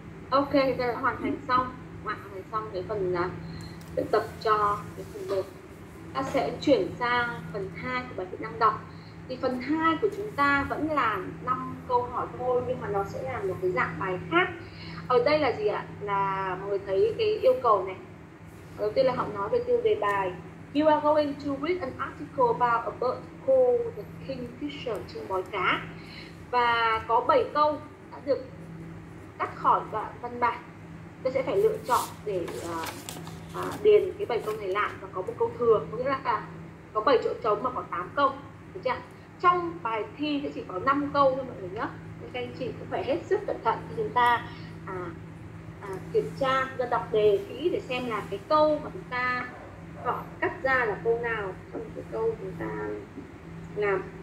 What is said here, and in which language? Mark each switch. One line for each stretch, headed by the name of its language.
Vietnamese: Ok, thì ta đã hoàn thành xong. Hoàn thành xong cái phần luyện tập cho cái phần 1. Ta sẽ chuyển sang phần 2 của bài kỹ năng đọc. Thì phần 2 của chúng ta vẫn là 5 câu hỏi thôi, nhưng mà nó sẽ là một cái dạng bài khác. Ở đây là gì ạ? Là mọi người thấy cái yêu cầu này. Đầu tiên là họ nói về tiêu đề bài.
English: You are going to read an article about a bird called the kingfisher,
Vietnamese: chim bói cá. Và có 7 câu đã được cắt khỏi đoạn văn bản. Tôi sẽ phải lựa chọn để điền cái 7 câu này lại và có một câu thừa. Có nghĩa là có 7 chỗ trống mà có 8 câu. Được chưa? Trong bài thi sẽ chỉ có 5 câu thôi mọi người nhé. Nên các anh chị cũng phải hết sức cẩn thận khi chúng ta kiểm tra, ra đọc đề kỹ để xem là cái câu mà chúng ta họ cắt ra là câu nào trong cái câu chúng ta làm.